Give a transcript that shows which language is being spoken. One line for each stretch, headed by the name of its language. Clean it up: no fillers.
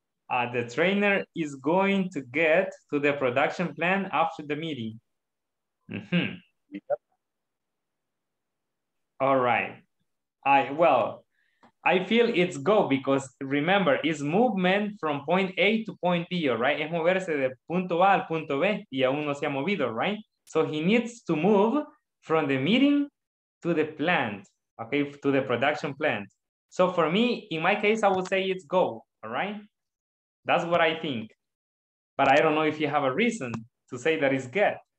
English: The trainer is going to get to the production plan after the meeting. Mm-hmm. Yep. All right. I feel it's go because remember it's movement from point A to point B, right?
Spanish: Es moverse de punto A al punto B y aún no se ha movido, right?
English: So he needs to move from the meeting to the plant, okay? To the production plant. So for me, in my case, I would say it's go, all right? That's what I think. But I don't know if you have a reason to say that it's get.